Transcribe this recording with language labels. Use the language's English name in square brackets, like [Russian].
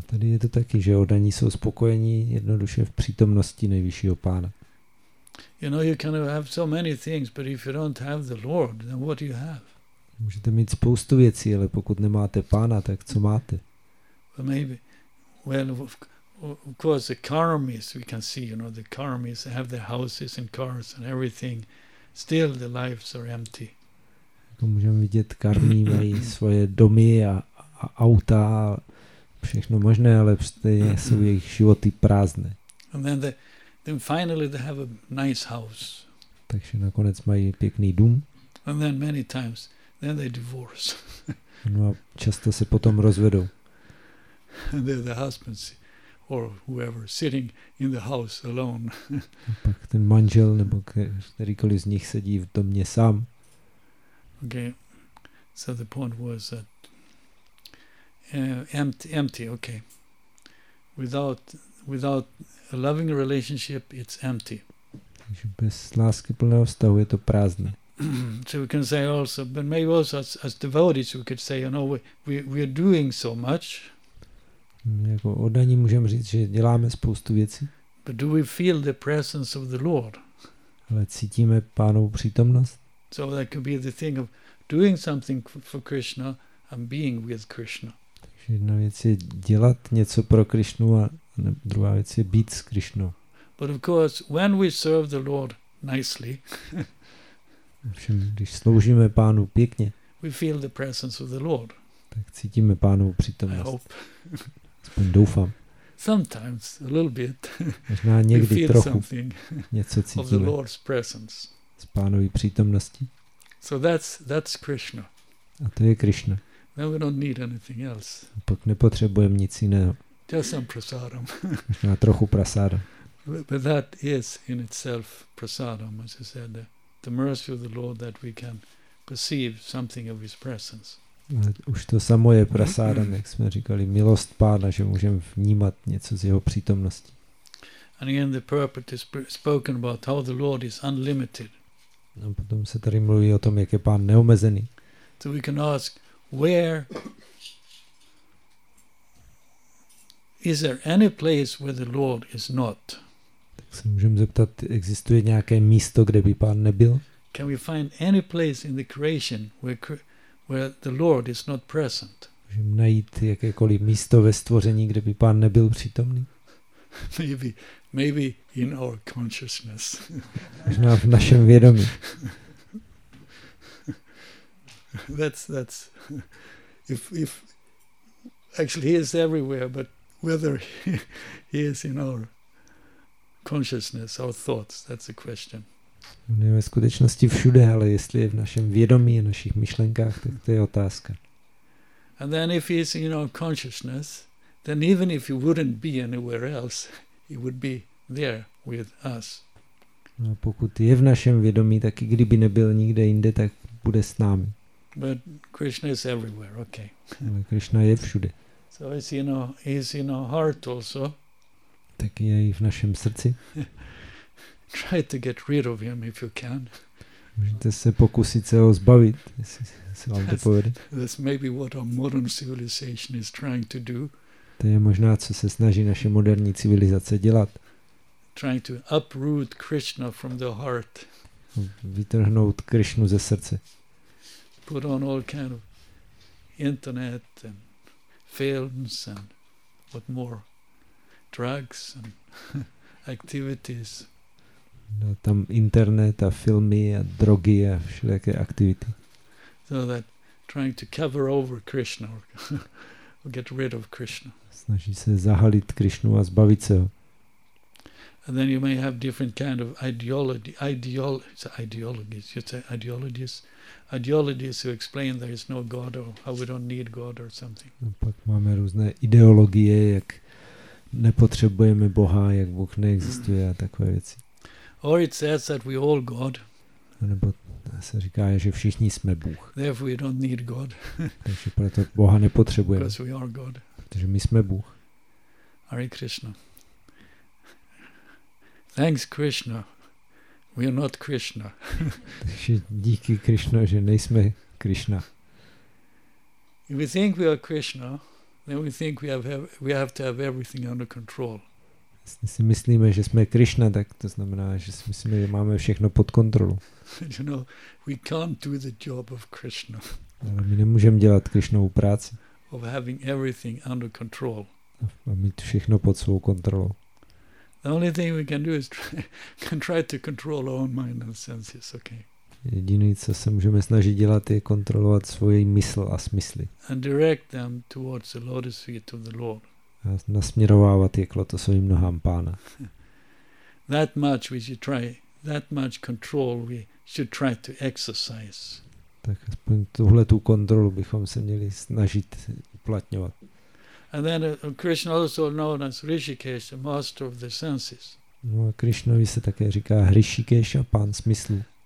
[Czech] tady je to taky, že oddaní jsou spokojení jednoduše v přítomnosti nejvyššího Pána. [English] You know, you can have so many things, but if you don't have the Lord, then what do you have? [Czech] Můžete mít spoustu věcí, ale pokud nemáte Pána, tak co máte? [English] Well, maybe, well, of course, the karmis we can see, you know, the karmis have their houses and cars and everything. Still, the lives are empty. [Czech] Můžeme vidět, karmí mají svoje domy a auta a všechno možné, ale stejně jsou jejich životy prázdné. [English] And then finally they have a nice house. [Czech] Takže nakonec mají pěkný dům. [English] And then many times. Then they divorce. [Czech] No a často se potom rozvedou. [English] And the husband or whoever sitting in the house alone. [Czech] Pak ten manžel nebo kterýkoliv z nich sedí v domě sám. [English] Okay. So the point was that empty, okay. Without a loving relationship, it's empty. [Czech] Takže bez lásky plného vztahu je to prázdné. [English] So we can say also, but maybe also as devotees we could say, you know, we are doing so much. [Czech] Jako oddaní můžeme říct, že děláme spoustu věcí. [English] But do we feel the presence of the Lord? [Czech] Ale cítíme Pánovu přítomnost? [English] So that could be the thing of doing something for Krishna and being with Krishna. [Czech] Takže jedna věc je dělat něco pro Krishnu a druhá věc je být s Krishnou. [English] But of course, when we serve the Lord nicely. [Czech] Ovšem, když sloužíme Pánu pěkně, [English] we feel the presence of the Lord. [Czech] Tak cítíme Pánovu přítomnost. [English] I hope. [Czech] Aspoň doufám. [English] Sometimes, a little bit. [Czech] Možná někdy trochu něco cítíme. [English] Of the Lord's presence. [Czech] Z Pánovy přítomnosti. [English] So that's Krishna. [Czech] A to je Krishna. [English] Then we don't need anything else. [Czech] A pak nepotřebujeme nic jiného. [English] Just some prasadam. [Czech] Možná trochu prasadam. [English] But that is in itself prasadam, as I said there. The mercy of the Lord that we can perceive something of his presence. [Czech] Už to samo je prasádam, jak jsme říkali, milost Pána, že můžeme vnímat něco z jeho přítomnosti. [English] And again the purport is spoken about how the Lord is unlimited. [Czech] No, potom se tady mluví o tom, jak je Pán neomezený. [English] So we can ask, where is there any place where the Lord is not? [Czech] Se můžeme zeptat, existuje nějaké místo, kde by Pán nebyl? [English] Can we find any place in the creation where the Lord is not present? [Czech] Můžeme najít jakékoliv místo ve stvoření, kde by Pán nebyl přítomný? [English] Maybe in our consciousness. [Czech] Možná v našem vědomí. [English] That's if actually he is everywhere, but whether he is in our consciousness, our thoughts, that's a question. [Czech] On je ve skutečnosti všude, ale jestli je v našem vědomí, v našich myšlenkách, tak to je otázka. [English] And then if he's in our consciousness, then even if he wouldn't be anywhere else, he would be there with us. [Czech] No, pokud je v našem vědomí, tak i kdyby nebyl nikde jinde, tak bude s námi. [English] But Krishna is everywhere, okay. [Czech] Ale Krishna je všude. [English] So he's in our heart also. [Czech] Tak je i v našem srdci. [English] Try to get rid of him if you can. [Czech] Můžete se pokusit se ho zbavit, jestli se vám to povede. [English] That's maybe what our modern civilization is trying to do. [Czech] To je možná, co se snaží naše moderní civilizace dělat. [English] trying to uproot Krishna from the heart. [Czech] Vytrhnout Krishnu ze srdce. [English] Put on all kind of internet and films and what more, drugs and activities. [Czech] No, tam internet a filmy a drogy a všelijaké aktivity. [English] So that trying to cover over Krishna or get rid of Krishna. [Czech] Snaží se zahalit Krishnu a zbavit se ho. [English] And then you may have different kind of ideology, ideologies. You say ideologies, ideologies who explain there is no God or how we don't need God or something. [Czech] No, pak máme různé ideologie, jak nepotřebujeme Boha, jak Bůh neexistuje a takové věci. [English] Or it says that we all God. [Czech] Nebo se říká, že všichni jsme Bůh. [English] Therefore we don't need God. [Czech] Takže proto Boha nepotřebujeme. [English] Because we are God. [Czech] Protože my jsme Bůh. [English] Hare Krishna. Thanks Krishna. We are not Krishna. [Czech] Takže díky Krishna, že nejsme Krishna. [English] If we think we are Krishna, then we think we have to have everything under control. [Czech] Jestli si myslíme, že jsme Krishna, tak to znamená, že si myslíme, že máme všechno pod kontrolou. [English] You know, we can't do the job of Krishna. [Czech] Ale my nemůžeme dělat Krishnovu práci. [English] Of having everything under control. [Czech] A mít všechno pod svou kontrolou. [English] The only thing we can do is try to control our own mind and senses, okay? [Czech] Jediné, co se můžeme snažit dělat, je kontrolovat svoji mysl a smysly. [English] And direct them towards the lotus feet of the Lord. [Czech] A nasměrovávat je k lotosovým nohám Pána. [English] That much we should try, that much control we should try to exercise. [Czech] Tak aspoň tuhle tu kontrolu bychom se měli snažit uplatňovat. [English] And then Krishna also known as Rishikesh, the master of the senses. [Czech] No a Krishnovi se také říká Hrišikesha, pán smyslu.